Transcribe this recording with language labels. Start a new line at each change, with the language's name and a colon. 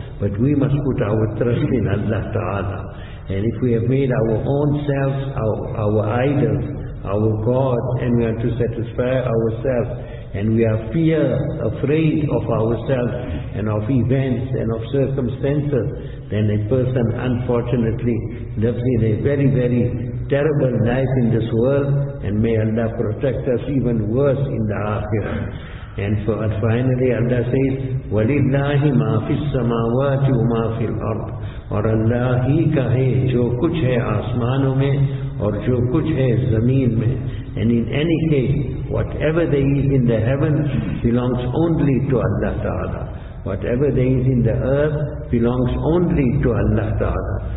English: But we must put our trust in Allah Ta'ala. And if we have made our own selves our idols, our God, and we are to satisfy ourselves, and we are afraid of ourselves and of events and of circumstances, then a person unfortunately lives in a very, very terrible life in this world, and may Allah protect us even worse in the Akhirah. And for, and finally Allah says,
Arabic: وَلِلَّهِ مَا فِي السَّمَاوَاتِ وَمَا فِي الْأَرْضِ,
Urdu: اور اللہ ہی کہے جو کچھ ہے آسمانوں میں اور جو کچھ ہے زمین میں.
English: And in any case, whatever there is in the heavens belongs only to Allah Ta'ala. Whatever there is in the earth belongs only to Allah Ta'ala.